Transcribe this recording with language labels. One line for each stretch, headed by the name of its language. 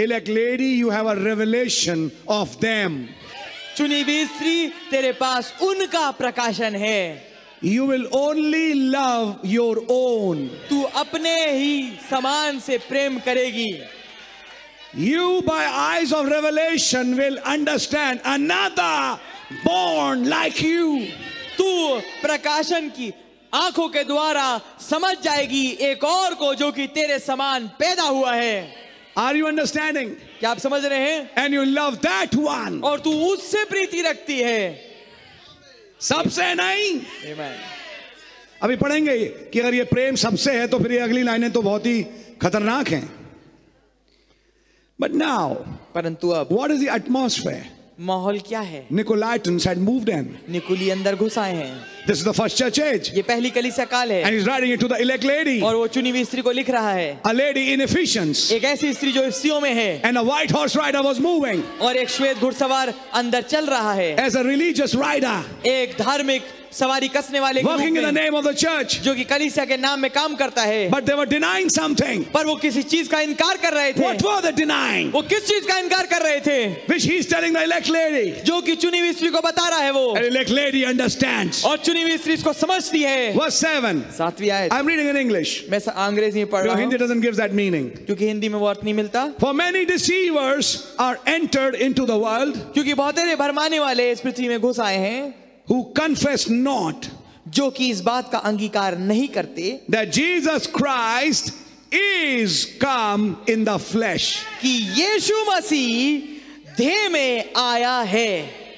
English: elect lady, you have a revelation of them.
Hindi: चुनी हुई स्त्री, तेरे पास उनका प्रकाशन है।
English: You will only love your own.
Hindi: तू अपने ही समान से प्रेम करेगी।
English: You by eyes of revelation will understand another born like you.
Hindi: तू प्रकाशन की आंखों के द्वारा समझ जाएगी एक और को जो कि तेरे समान पैदा हुआ है।
English: Are you understanding?
Hindi: क्या आप समझ रहे हैं?
English: and you love that one,
Hindi: और तू उससे प्रीति रखती है। सबसे नहीं।
English: Amen.
Hindi: अभी पढ़ेंगे कि अगर ये प्रेम सबसे है तो फिर ये अगली लाइनें तो बहुत ही खतरनाक हैं।
English: but now,
Hindi: परंतु अब,
English: What is the atmosphere?
Hindi: माहौल क्या है?
English: Nicolaitans had moved in.
Hindi: निकुली अंदर घुसाए हैं।
English: This is the first church age.
Hindi: ये पहली कलीसिया काल है।
English: And he's writing it to the elect lady.
Hindi: और वो चुनी हुई स्त्री को लिख रहा है।
English: A lady in Ephesians.
Hindi: एक ऐसी स्त्री जो इफिसियों में है।
English: And a white horse rider was moving.
Hindi: और एक श्वेत घुड़सवार अंदर चल रहा है।
English: As a religious rider.
Hindi: एक धार्मिक सवारी कसने वाले
English: Working in the name of the church.
Hindi: जो कि कलीसिया के नाम में काम करता है।
English: But they were denying something.
Hindi: पर वो किसी चीज का इनकार कर रहे थे।
English: What were they denying?
Hindi: वो किस चीज का इनकार कर रहे थे?
English: Which he's telling the elect lady.
Hindi: जो कि चुनी हुई स्त्री को बता रहा है वो।
English: And elect lady understands.
Hindi: और चुनी हुई स्त्री इसको समझती है।
English: Verse 7.
Hindi: सातवीं आयत।
English: I'm reading in English.
Hindi: मैं अंग्रेजी में पढ़ रहा
English: हूं। Hindi doesn't give that meaning.
Hindi: क्योंकि हिंदी में वो अर्थ नहीं मिलता।
English: For many deceivers are entered into the world.
Hindi: क्योंकि बहुत सारे भरमाने वाले इस पृथ्वी में घुस आए हैं।
English: Who confess not,
Hindi: जो कि इस बात का अंगीकार नहीं करते,
English: that Jesus Christ is come in the flesh,
Hindi: कि यीशु मसीह देह में आया है,